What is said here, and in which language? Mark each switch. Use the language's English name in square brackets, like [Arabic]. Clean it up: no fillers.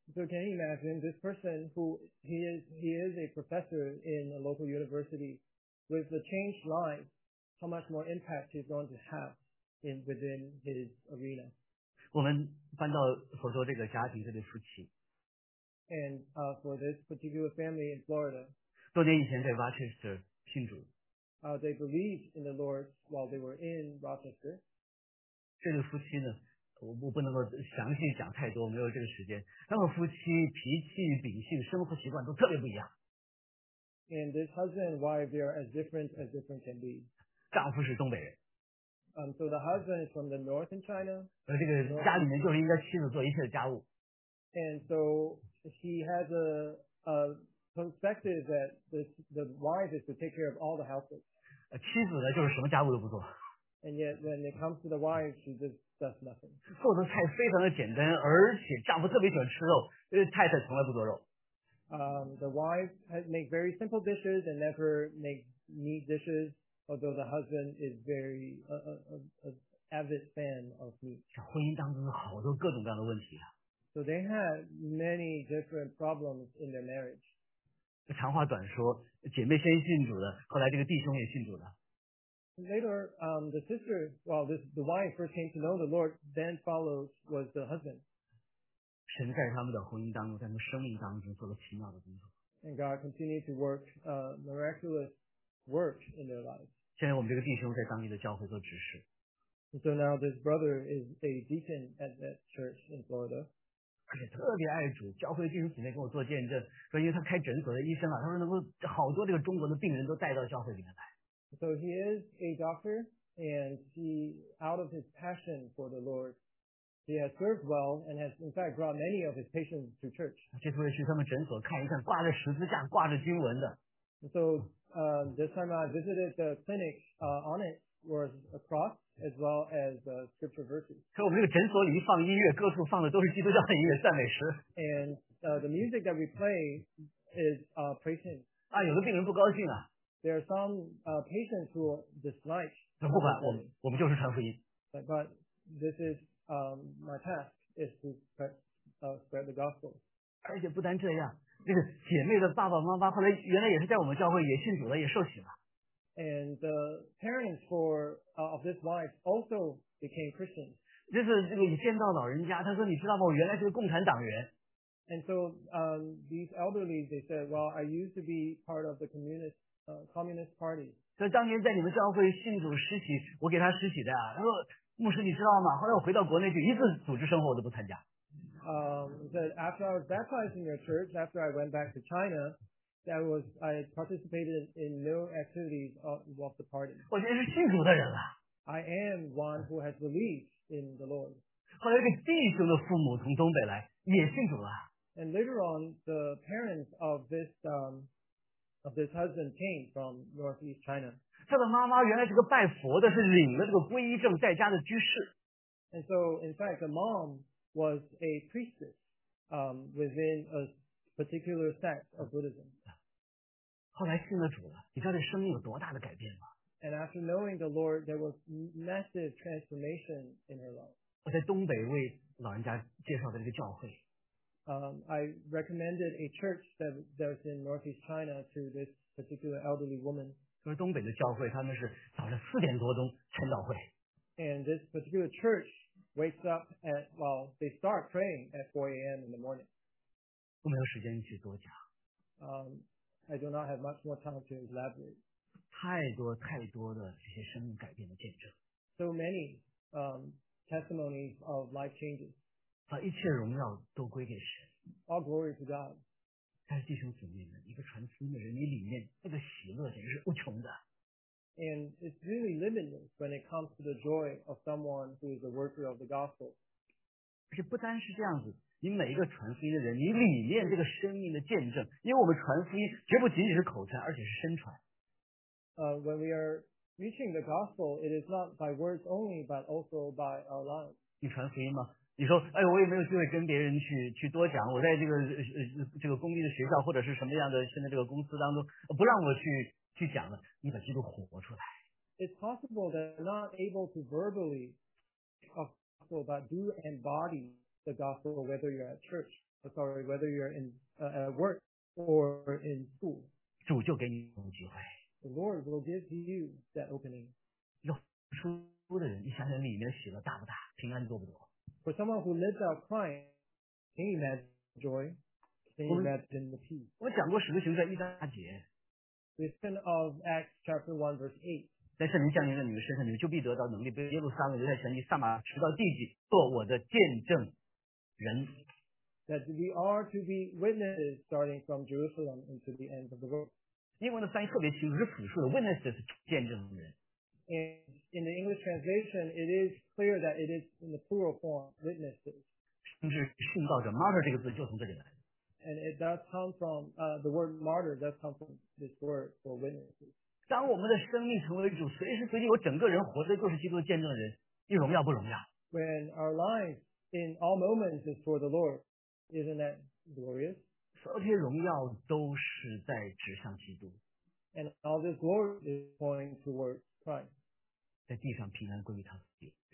[English] ？So can you imagine this person who he is a professor in a local university with a changed life? How much more impact he's going to have in within his arena? [Chinese] 我们搬到佛州这个家庭这对夫妻。 [English] And for this particular family in Florida, [Chinese] 多年以前在 Rochester 信主。 [English] They believed in the Lord while they were in Rochester. [Chinese] 这对夫妻呢，我不能够详细讲太多，没有这个时间。他们夫妻脾气、秉性、生活习惯都特别不一样。 [English] And this husband and wife, they are as different can be. [Chinese] 丈夫是东北人。 [English] So the husband is from the north in China. [Chinese] 这个家里面就是应该妻子做一切的家务。 [English] And so he has a perspective that the wife is to take care of all the houses. [Chinese] 妻子呢就是什么家务都不做。 [English] And yet when it comes to the wife, she just does nothing. [Chinese] 做的菜非常的简单，而且丈夫特别喜欢吃肉，太太从来不做肉。 [English] The wife makes very simple dishes and never makes meat dishes. Although the husband is very an avid fan of meat. [Chinese] 婚姻当中有好多各种各样的问题啊。 [English] So they had many different problems in their marriage. [Chinese] 长话短说，姐妹先信主了，后来这个弟兄也信主了。 [English] Later, the sister, well, the wife first came to know the Lord, then followed was the husband. [Chinese] 神在他们的婚姻当中，在他们生命当中做了奇妙的工作。 [English] And God continued to work miraculous work in their lives. [Chinese] 现在我们这个弟兄在当地的教会做执事。 [English] So now this brother is a deacon at that church in Florida. [Chinese] 而且特别爱主，教会弟兄姊妹跟我做见证，说因为他开诊所的医生啊，他说能够好多这个中国的病人都带到教会里面来。 [English] So he is a doctor, and he, out of his passion for the Lord, he has served well and has in fact brought many of his patients to church. [Chinese] 这次去他们诊所看一看，挂着十字架、挂着经文的。 [English] So this time I visited the clinic, on it was a cross as well as scripture verses. [Chinese] 可我们这个诊所里一放音乐，各处放的都是基督教的音乐，赞美诗。 [English] And the music that we play is praise hymns. [Chinese] 啊，有的病人不高兴啊。 [English] There are some patients who dislike. [Chinese] 那不管，我们就是传福音。 [English] But this is my task is to spread the gospel. [Chinese] 而且不单这样。这个姐妹的爸爸妈妈后来原来也是在我们教会也信主了也受洗了。 [English] And the parents for of this wife also became Christians. [Chinese] 这是这个你见到老人家，他说你知道吗？我原来是个共产党员。 [English] And so these elderly they said, well, I used to be part of the communist party. [Chinese] 所以当年在你们教会信主实习，我给他实习的啊。他说牧师你知道吗？后来我回到国内就一次组织生活我都不参加。 [English] That after I was baptized in your church, after I went back to China, I participated in no activities of the party. [Chinese] 我现在是信主的人了。 [English] I am one who has believed in the Lord. [Chinese] 后来一个弟兄的父母从东北来，也信主了。 [English] And later on, the parents of this husband came from northeast China. [Chinese] 他的妈妈原来是个拜佛的，是领了这个皈依证在家的居士。 [English] And so, in fact, the mom. Was a priestess within a particular sect of Buddhism. [Chinese] 后来信了主了，你知道这生命有多大的改变吗 [English] ？And after knowing the Lord, there was massive transformation in her life. [Chinese] 我在东北为老人家介绍的一个教会。 [English] I recommended a church that's in northeast China to this particular elderly woman. [Chinese] 就是东北的教会，他们是早上四点多钟晨祷会。 [English] And this particular church. Wakes up at well, they start praying at 4 a.m. in the morning. [Chinese] 我没有时间去多讲。 [English] I do not have much more time to elaborate. [Chinese] 太多太多的这些生命改变的见证。 [English] So many testimonies of life changes. [Chinese] 把一切荣耀都归给神。 [English] All glory to God. [Chinese] 但是弟兄姊妹们，一个传福音的人，你里面那个喜乐简直是无穷的。 [English] And it's really limitless when it comes to the joy of someone who is a worker of the gospel. [Chinese] 而且不单是这样子。你每一个传福音的人，你里面这个生命的见证，因为我们传福音绝不仅仅是口传，而且是身传。 [English] When we are reaching the gospel, it is not by words only, but also by our lives. [Chinese] 你传福音吗？你说，哎，我也没有机会跟别人去多讲。我在这个公立的学校或者是什么样的现在这个公司当中，不让我去讲了。你把基督活出来。 [English] It's possible that you're not able to verbally talk the gospel, but do embody. The gospel, whether you're at church, or sorry, whether you're in at work or in school, [Chinese] 主就给你这种机会。 [English] The Lord will give you that opening. [Chinese] 要出的人，你想想里面喜乐大不大，平安多不多 [English] ？For someone who lives out crying, can you imagine joy? Can you imagine the peace? [Chinese] 我讲过使徒行传一章八节。 [English] The end of Acts chapter 1 verse 8. [Chinese] 在圣灵降临在你们身上，你们就必得到能力，被耶路撒冷留在全地，撒玛利亚直到地极，做我的见证人。 [English] That we are to be witnesses starting from Jerusalem into the end of the world. [Chinese] 英文的翻译特别清楚，是复数的 witnesses 见证人。 [English] And in the English translation, it is clear that it is in the plural form witnesses. [Chinese] 甚至殉道者 martyr 这个字就从这里来。 [English] And it does come from the word martyr does come from this word for witnesses. [Chinese] 当我们的生命成为主，随时随地我整个人活着就是基督的见证人，你荣耀不荣耀 [English] ？When our life in all moments is for the Lord, isn't that glorious? [Chinese] 所有这些荣耀都是在指向基督。 [English] And all this glory is pointing towards Christ. [Chinese] 在地上平安归于他自己。